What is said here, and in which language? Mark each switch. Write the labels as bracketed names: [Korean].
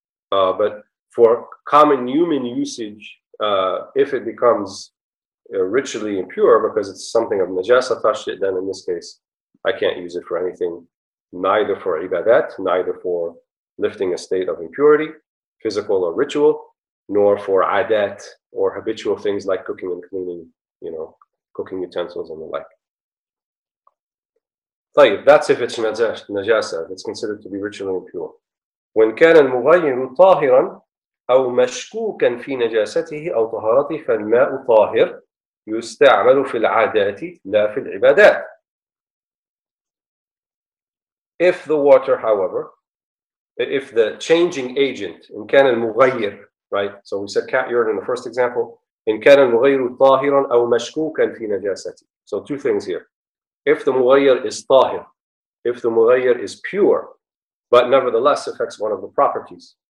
[English] But for common human usage, if it becomes ritually impure because it's something of najasa touched it, then in this case, I can't use it for anything, neither for ibadat, neither for lifting a state of impurity, physical or ritual, nor for adat or habitual things like cooking and cleaning, you know, cooking utensils and the like. [Arabic] طيب, [English] that's if it's najasa, if it's considered to be ritually impure. When [Arabic] كان المغير طاهرا أو مشكوكا في نجاسته أو طهارته فالماء طاهر يستعمل في العادات لا في العبادات. [English] If the water, however, if the changing agent, [Arabic] إن كان المغير, [English] right? So we said cat urine in the first example. [Arabic] إن كان المغير طاهرا أو مشكوكا في نجاسته. [English] So two things here. If the مغير is طاهر, if the مغير is pure, but nevertheless affects one of the properties.